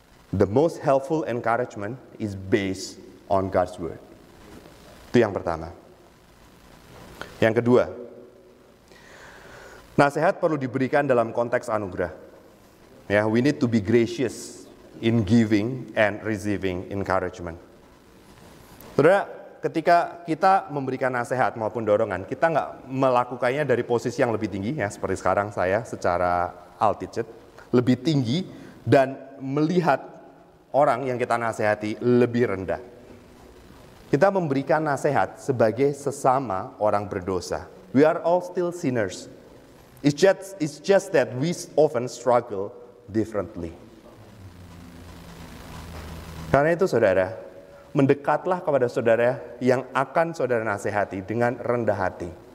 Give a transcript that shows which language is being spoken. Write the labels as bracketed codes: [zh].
[en] The most helpful encouragement is based on God's word. [id] Itu yang pertama. Yang kedua, nasihat perlu diberikan dalam konteks anugerah. [en] Yeah, we need to be gracious in giving and receiving encouragement. [id] Saudara, ketika kita memberikan nasihat maupun dorongan, kita nggak melakukannya dari posisi yang lebih tinggi, ya seperti sekarang saya secara altitude lebih tinggi dan melihat orang yang kita nasihati lebih rendah. Kita memberikan nasihat sebagai sesama orang berdosa. [en] We are all still sinners. It's just that we often struggle differently. [id] Karena itu saudara, mendekatlah kepada saudara yang akan saudara nasihati dengan rendah hati.